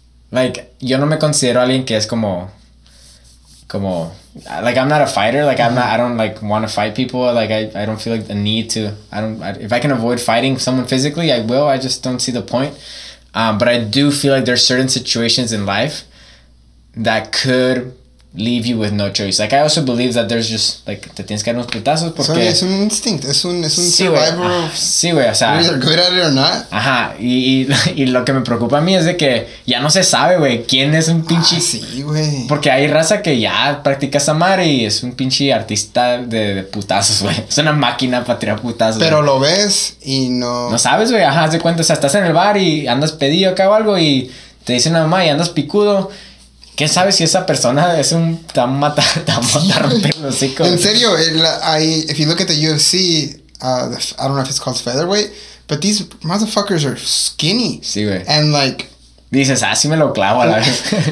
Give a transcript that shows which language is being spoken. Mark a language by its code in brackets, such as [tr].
[en] Like, [es] yo no me considero alguien que es como, [en] like, I'm not a fighter, like, I don't, like, want to fight people, like, I don't feel like the need to, if I can avoid fighting someone physically, I will, I just don't see the point, but I do feel like there's certain situations in life that could leave you with no choice. Like, I also believe that there's just, like, [es] te tienes que dar unos putazos porque... Sí, es un instinto, es un sí, survival. Sí, güey, o sea... [en] Whether you're good at it or not. [es] Ajá, y lo que me preocupa a mí es de que ya no se sabe, güey, quién es un pinche... Ah, sí, güey. Porque hay raza que ya practica samar y es un pinche artista de putazos, güey. Es una máquina para tirar putazos. Pero wey, lo ves y no... No sabes, güey, ajá, haz de cuenta, o sea, estás en el bar y andas pedido acá o algo y te dice una mamá y andas picudo... ¿Quién sabe si esa persona es un tan mata, tan mata romper los hocicos? En serio, [en] if you look at the UFC, I don't know if it's called featherweight, but these motherfuckers are skinny. [es] Sí, güey. [en] And like... [es] Dices, ah, sí me lo clavo a la vez.